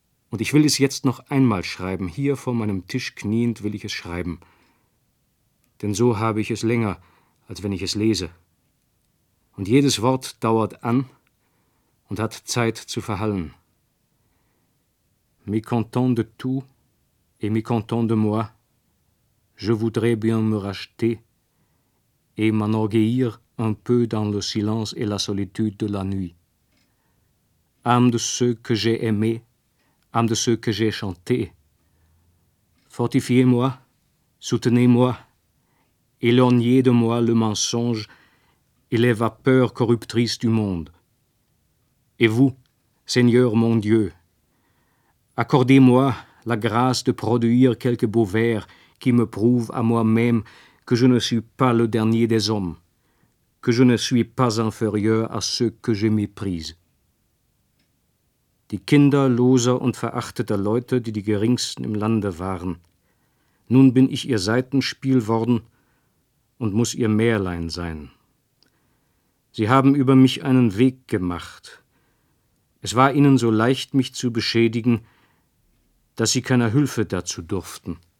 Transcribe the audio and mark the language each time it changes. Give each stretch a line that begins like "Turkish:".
German: Und ich will es jetzt noch einmal schreiben, hier vor meinem Tisch kniend will ich es schreiben. Denn so habe ich es länger, als wenn ich es lese. Und jedes Wort dauert an und hat Zeit zu verhallen.
French: Mécontent de tout et mécontent de moi, je voudrais bien me racheter et m'enorgueillir un peu dans le silence et la solitude de la nuit. Âme de ceux que j'ai aimés, âme de ceux que j'ai chantés, fortifiez-moi, soutenez-moi, éloignez de moi le mensonge et les vapeurs corruptrices du monde. Et vous, Seigneur mon Dieu, accordez-moi la grâce de produire quelques beaux vers qui me prouvent à moi-même que je ne suis pas le dernier des hommes, que je ne suis pas inférieur à ceux que je méprise.
German: Die Kinder loser und verachteter Leute, die die geringsten im Lande waren. Nun bin ich ihr Seitenspiel worden und muss ihr Märlein sein. Sie haben über mich einen Weg gemacht. Es war ihnen so leicht, mich zu beschädigen, dass sie keiner Hilfe dazu durften.